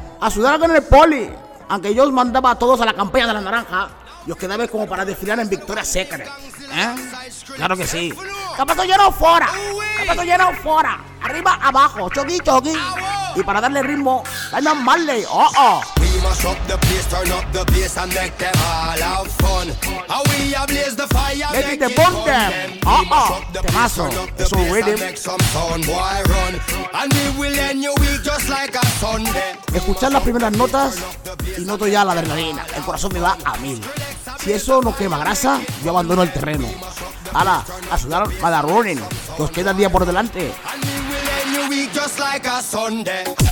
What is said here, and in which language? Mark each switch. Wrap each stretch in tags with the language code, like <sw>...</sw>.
<es>¡A sudar con el poli! Aunque yo os mandaba a todos a la campaña de la naranja y os quedabais como para desfilar en Victoria's Secret. ¿Eh? ¡Claro que sí! ¡Capato lleno fuera! ¡Capato lleno fuera! ¡Arriba, abajo! ¡Choqui, choqui! Y para darle ritmo, ¡dale a Marley! ¡Oh, oh!</es> <en>Mash up the place, turn up the place, and make them all have fun. How we a blaze the fire, make it burn them. Mash up the place, turn up the place, and make some sound, boy, run. And we will end your week just like a Sunday.</en> <es>Escuchar las primeras notas y noto ya la adrenalina. El corazón me va a mil. Si eso no quema grasa, yo abandono el terreno. Hala, a sudar para running. Nos queda el día por delante.</es> <en>And we will end your week just like a Sunday.</en>